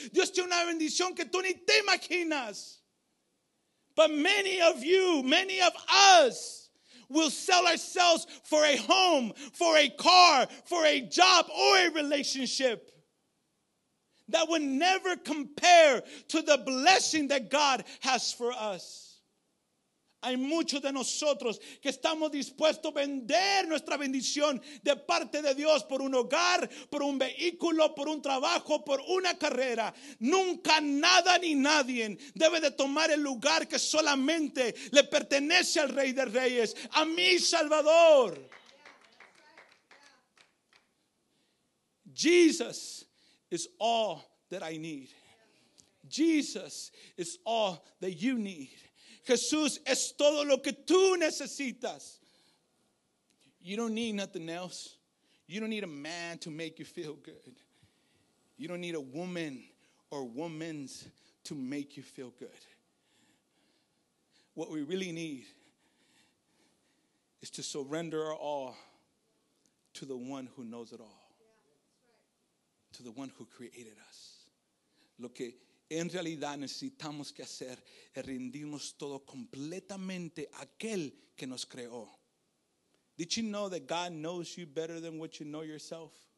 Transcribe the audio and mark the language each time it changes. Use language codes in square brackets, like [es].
[es] Dios tiene una bendición que tú ni te imaginas. [en] But many of you, many of us, we'll sell ourselves for a home, for a car, for a job, or a relationship that would never compare to the blessing that God has for us. [es] Hay muchos de nosotros que estamos dispuestos a vender nuestra bendición de parte de Dios por un hogar, por un vehículo, por un trabajo, por una carrera. Nunca nada ni nadie debe de tomar el lugar que solamente le pertenece al Rey de Reyes, a mi Salvador. [en] Jesus is all that I need. Jesus is all that you need. [es] Jesús es todo lo que tú necesitas. [en] You don't need nothing else. You don't need a man to make you feel good. You don't need a woman or women's to make you feel good. What we really need is to surrender our all to the one who knows it all. To the one who created us. [es] Lo que en realidad necesitamos que hacer es rendirnos todo completamente a aquel que nos creó. [en] Did you know that God knows you better than what you know yourself?